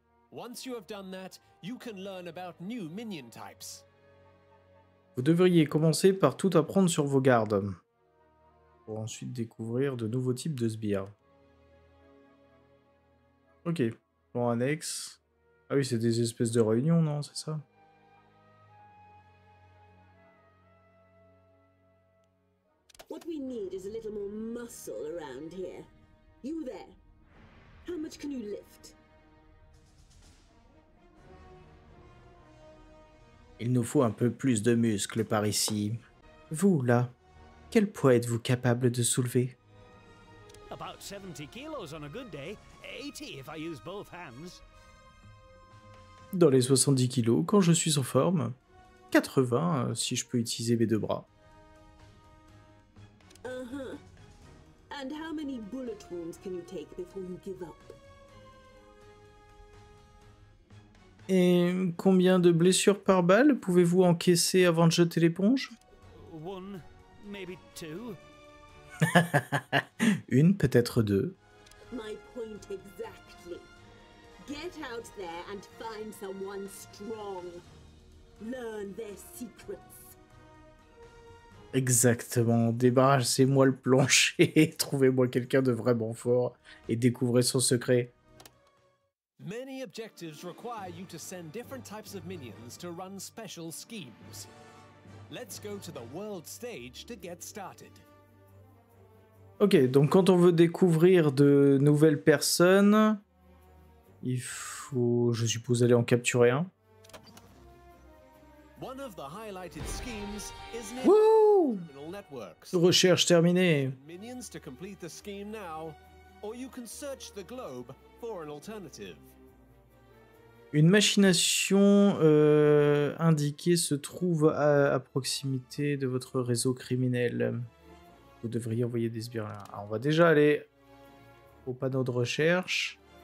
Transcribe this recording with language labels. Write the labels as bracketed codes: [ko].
[en] Once you have done that, you can learn about new minion types. [fr] Vous devriez commencer par tout apprendre sur vos gardes. Pour ensuite découvrir de nouveaux types de sbires. Ok. Plan annexe. Ah oui, c'est des espèces de réunions, non, c'est ça? [en] Is a little more muscle around here. You there? How much can you lift? [fr] Il nous faut un peu plus de muscles par ici. Vous là, quel poids êtes-vous capable de soulever? [en] About 70 kilos on a good day, 80 if I use both hands. [fr] Dans les 70 kilos quand je suis en forme, 80 si je peux utiliser mes deux bras. [en] And how many bullet wounds can you take before you give up? [fr] Et combien de blessures par balle pouvez-vous encaisser avant de jeter l'éponge? [en] One, maybe two. [fr] Une, peut-être deux. [en] My point exactly. Get out there and find someone strong. Learn their secrets. [fr] Exactement, débarrassez-moi le plancher, trouvez-moi quelqu'un de vraiment fort et découvrez son secret. [en] Many objectives require you to send different types of minions to run special schemes. Let's go to the world stage to get started. [fr] Ok, donc quand on veut découvrir de nouvelles personnes, il faut, je suppose, aller en capturer un. [en] One of the highlighted schemes is criminal networks. Recherche terminée. Minions to complete the scheme now, or you can search the globe for an alternative. [fr] Une machination indiquée se trouve à proximité de votre réseau criminel. Vous devriez envoyer des sbires là. Alors, on va déjà aller au panneau de recherche.